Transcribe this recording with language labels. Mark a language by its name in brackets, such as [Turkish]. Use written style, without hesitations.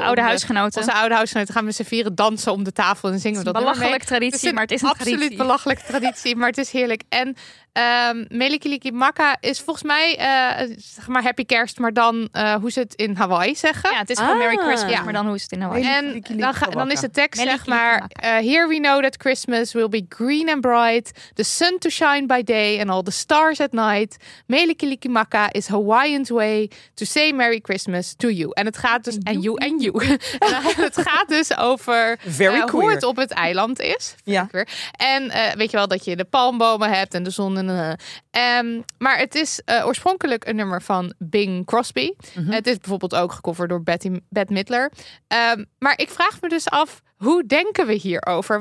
[Dutch] Onze oude huisgenoten gaan we z'n vieren dansen om de tafel en zingen we dat nummer mee. Belachelijk traditie, maar het is een traditie. Absoluut belachelijk traditie, maar het is heerlijk. En Melikilikimaka is volgens mij, zeg maar, happy kerst, maar dan hoe ze het in Hawaii zeggen. Ja, het is gewoon Merry Christmas, maar dan hoe ze het in Hawaii zeggen. En dan is de tekst, zeg maar, [English] here we know that Christmas will be green and bright, the sun to shine by day and all the stars at night. Melikilikimaka is Hawaiian's way to say Merry Christmas to you. [Dutch] En het gaat dus, [English] and you. [Dutch] Het gaat dus over hoe het op het eiland is. Ja. En weet je wel, dat je de palmbomen hebt en de zon Maar het is oorspronkelijk een nummer van Bing Crosby. Mm-hmm. Het is bijvoorbeeld ook gecoverd door Bette Midler. Maar ik vraag me dus af, hoe denken we hierover?